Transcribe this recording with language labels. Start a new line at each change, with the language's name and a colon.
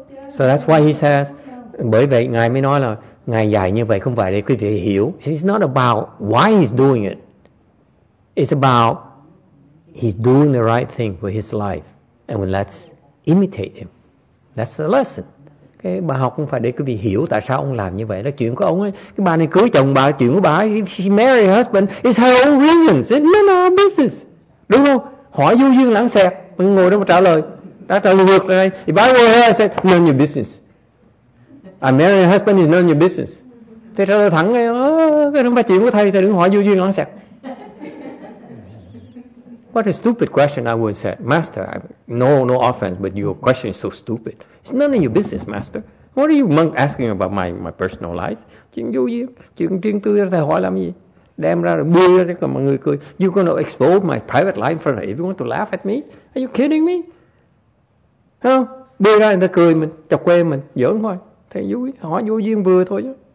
English: So that's why he says,
Vietnamese: bởi vậy Ngài mới nói là Ngài dạy như vậy không phải để quý vị hiểu.
English: It's not about why he's doing it. It's about he's doing the right thing for his life. And when let's imitate him. That's the lesson.
Vietnamese: Cái bài học không phải để quý vị hiểu tại sao ông làm như vậy. Đó chuyện của ông ấy. Cái bà này cưới chồng bà, chuyện của bà ấy.
English: She married her husband. It's her own reasons. It's none of our business.
Vietnamese: Đúng không? Hỏi du dương lãng xẹt. Mình ngồi đó mà trả lời. Đã trả lời ngược rồi.
English: If I were here, I said, none of your business. I married a husband, it's none of your business.
Vietnamese: Thế trả lời thẳng ngay. Cái không phải chuyện của thầy, thầy đừng hỏi du dương lãng xẹt.
English: What a stupid question I would say. Master, no offense, but your question is so stupid. It's none of your business, Master. What are you monk asking about my personal life?
Vietnamese: Chuyện vô gì? Chuyện riêng tư ra thầy hỏi làm gì? Đem ra rồi bươi ra rồi mọi người cười.
English: You're going to expose my private life in front of everyone to laugh at me? Are you kidding me? Huh?
Vietnamese: Bươi ra người ta cười mình, chọc quê mình, giỡn thôi. Thầy vui, hỏi vô duyên vừa thôi chứ.